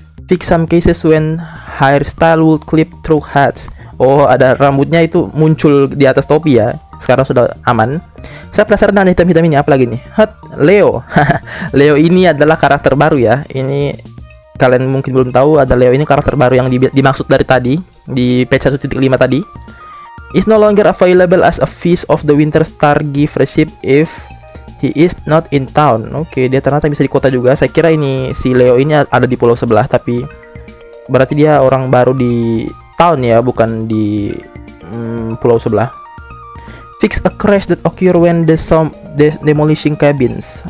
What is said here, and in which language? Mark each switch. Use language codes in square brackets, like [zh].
[en] Fix some cases when hairstyle would clip through hats. [id] Oh, ada rambutnya itu muncul di atas topi ya. Sekarang sudah aman. Saya penasaran dengan hitam-hitam ini, apalagi nih? Hot Leo. Leo ini adalah karakter baru ya. Ini kalian mungkin belum tahu, ada Leo ini karakter baru yang dimaksud dari tadi di patch 1.5 tadi. [en] Is no longer available as a fish of the Winter Star Givership if he is not in town. [id] Oke, dia ternyata bisa di kota juga. Saya kira ini si Leo ini ada di pulau sebelah, tapi berarti dia orang baru di town ya, bukan di pulau sebelah. [en] Fix a crash that occur when the demolishing cabins.